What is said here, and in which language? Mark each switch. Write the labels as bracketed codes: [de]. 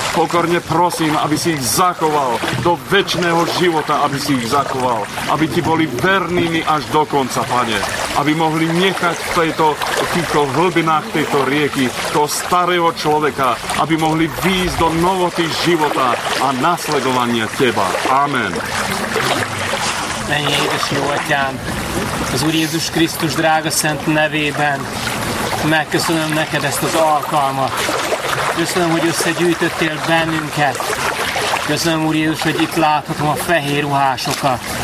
[sk] Pokorne prosím, aby si ich zachoval do večného života, aby si ich zachoval. Aby ti boli vernými až do konca, Pane. Aby mohli nechať v týchto hlbinách tejto rieky toho starého človeka, aby mohli výjsť do novoty života a nasledovania teba. Amen. [hu] Menj, édes jó atyám, az Úr Jézus Krisztus drága szent nevében megköszönöm neked ezt az alkalmat. Köszönöm, hogy összegyűjtöttél bennünket. Köszönöm, Úr Jézus, hogy itt láthatom a fehér ruhásokat.